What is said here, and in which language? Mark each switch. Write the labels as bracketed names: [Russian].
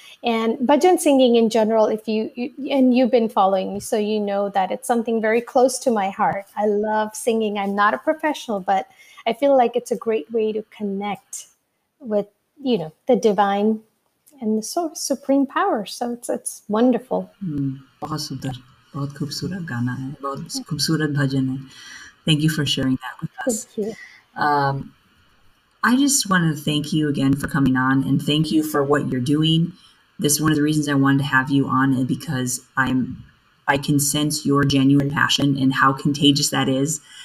[English] And bhajan singing in general, if you've been following me, so you know that it's something very close to my heart. I love singing. I'm not a professional, but I feel like it's a great way to connect with, you know, the divine and the source, supreme power. So it's wonderful. [Hindi] बहुत खुबसूरत गाना है, बहुत खुबसूरत भजन है. [English] Thank you for sharing that with us. Thank you. I just want to thank you again for coming on and thank you for what you're doing. This is one of the reasons I wanted to have you on, because I can sense your genuine passion and how contagious that is.